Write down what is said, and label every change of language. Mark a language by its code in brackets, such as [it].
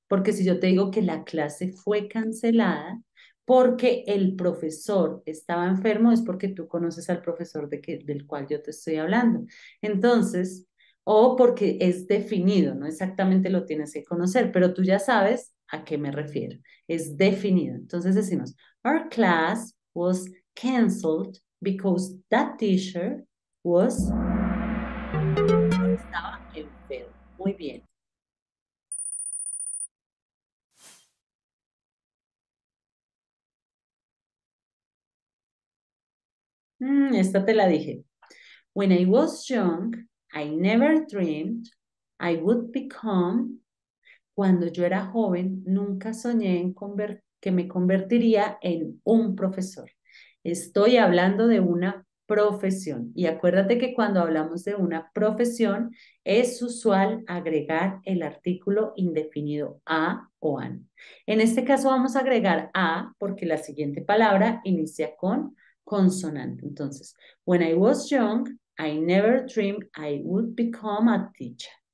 [es] Porque si yo te digo que la clase fue cancelada porque el profesor estaba enfermo, es porque tú conoces al profesor del cual yo te estoy hablando. Entonces, o porque es definido, no exactamente lo tienes que conocer, pero tú ya sabes a qué me refiero. Es definido. Entonces decimos, [en] Our class was canceled because that teacher was. [es] Muy bien. Esta te la dije. [en] When I was young, I never dreamed I would become. [es] Cuando yo era joven, nunca soñé en que me convertiría en un profesor. Estoy hablando de una profesión. Y acuérdate que cuando hablamos de una profesión, es usual agregar el artículo indefinido a o an. En este caso vamos a agregar a porque la siguiente palabra inicia con consonante. [en] Entonces, when I was young, I never dreamed I would become a teacher.